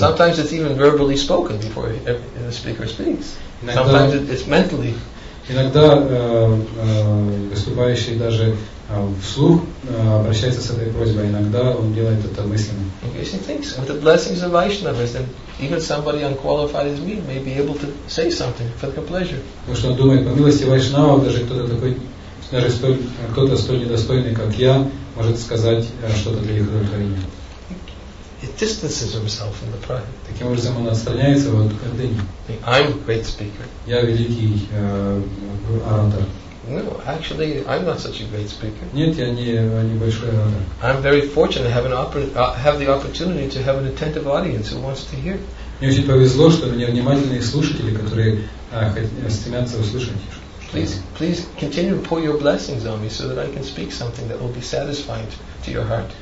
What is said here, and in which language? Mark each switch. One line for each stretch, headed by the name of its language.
English: Sometimes it's even verbally spoken before the speaker speaks. Sometimes it's mentally.
Russian: Иногда выступающий даже вслух обращается с этой просьбой, иногда он делает это мысленно.
English: Krishna thinks with the blessings of Vaishnavas, then even somebody unqualified as me may be able to say something for their pleasure.
Russian: Потому что он думает, по милости Вайшнава, даже кто-то такой, даже кто-то столь недостойный, как я, может сказать что-то для их удовлетворения.
English: It distances himself from the pride.
Russian: Таким образом, он отстраняется от гордыни.
English: I'm a great speaker.
Russian: Я великий оратор.
English: No, actually, I'm not such a great speaker.
Russian: Нет, я не большой оратор.
English: I'm very fortunate to have the opportunity to have an attentive audience who wants to hear.
Russian: Мне очень повезло, что у меня внимательные слушатели, которые стремятся услышать.
English: Please continue to pour your blessings on me so that I can speak something that will be satisfying to your heart.